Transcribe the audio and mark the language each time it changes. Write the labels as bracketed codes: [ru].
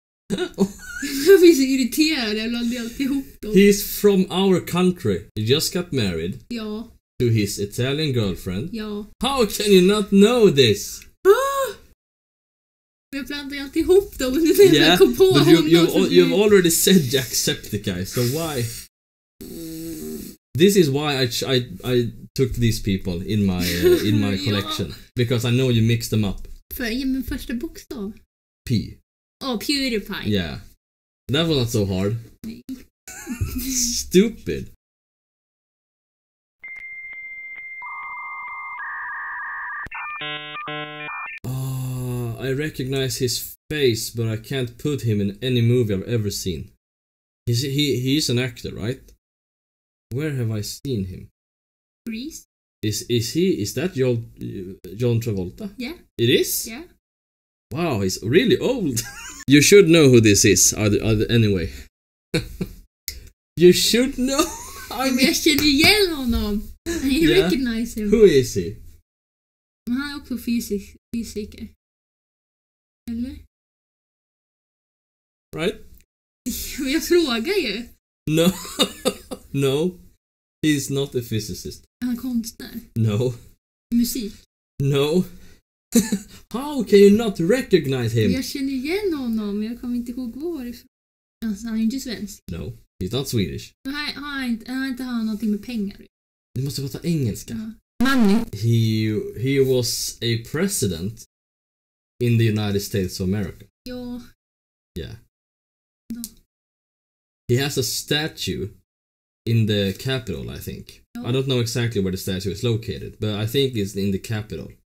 [sv] Jag blir så irriterad, jag blandade alltihop dem. [en] He's from our country. He just got married. [sv] Ja. [en] To his Italian girlfriend. [sv] Ja. [en] How can you not know this? [sv] Jag blandade alltihop dem och det är det jag kom på honom. [en] You've already said Jacksepticeye, so why? This is why I took these people in my collection. [sv] Ja. [en] Because I know you mixed them up. [sv] För jag min första bokstav. P. [en] Oh, PewDiePie. Yeah. That was not so hard. Stupid. I recognize his face, but I can't put him in any movie I've ever seen. He's an actor, right? Where have I seen him? Greece. Is that John Travolta? Yeah. It is? Yeah. Wow, he's really old. You should know who this is, either, anyway. You should know. I mean, [sv] jag känner igen honom. [en] I recognize him. Who is he? [sv] Han är också fysiker. Eller? [en] Right? [sv] Jag frågar ju. [en] No. No. He's not a physicist. [sv] Är han konstnär? [en] No. [sv] Musik? [en] No. How can you not recognize him? [sv] Jag känner igen honom, jag kommer inte ihåg varifrån. Alltså, han är inte svensk. [en] No, he's not Swedish. [sv] Men han har inte någonting med pengar. Du måste prata engelska. [en] Money. He was a president in the United States of America. [sv] Ja. [en] Yeah. No. He has a statue in the capital, I think. [sv] Ja. [en] I don't know exactly where the statue is located, but I think it's in the capital.